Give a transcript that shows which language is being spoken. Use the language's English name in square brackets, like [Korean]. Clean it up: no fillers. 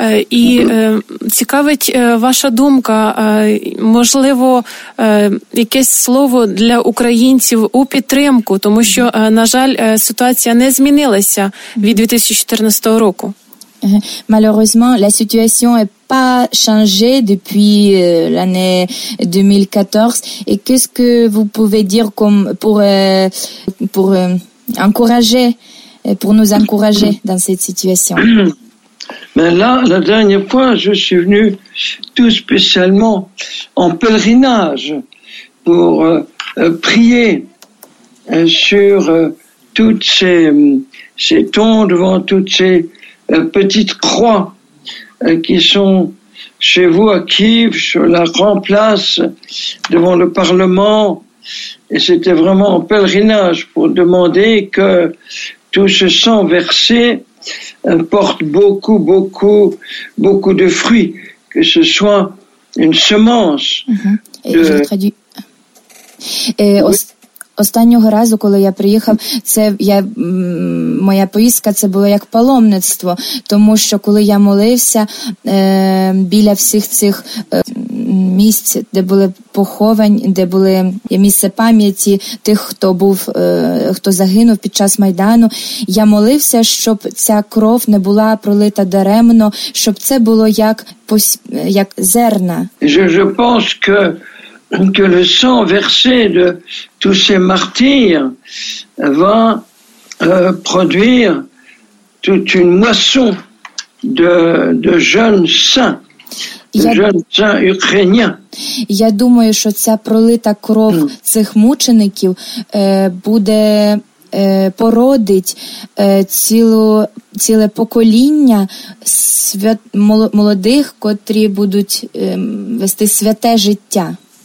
[Ukrainian] І цікавить ваша думка, можливо, якесь слово для українців у підтримку, тому що, на жаль, ситуація не змінилася від 2014 року. [French] Malheureusement, la situation n'est pas changée depuis l'année 2014. Et qu'est-ce que vous pouvez dire comme pour nous encourager dans cette situation? Mais là, la dernière fois, je suis venu tout spécialement en pèlerinage pour prier sur toutes ces tombes, devant toutes ces petites croix qui sont chez vous à Kiev, sur la grande place devant le Parlement, et c'était vraiment un pèlerinage pour demander que tout ce sang versé porte beaucoup, beaucoup, beaucoup de fruits, que ce soit une semence. Mm-hmm. Et je traduis. [Ukrainian] Останнього разу, коли я приїхав, це я моя поїздка, це було як паломництво, тому що коли я молився біля всіх цих місць, де були поховані, де були місце пам'яті тих, хто був, хто загинув під час Майдану, я молився, щоб ця кров не була пролита даремно, щоб це було як зерна. [French] Je pense que le sang versé de tous ces martyrs va produire toute une moisson de jeunes saints, de jeunes saints ukrainiens. [Ukrainian] Я думаю, що ця пролита кров цих мучеників буде породить ціле покоління молодих, котрі будуть вести святе життя.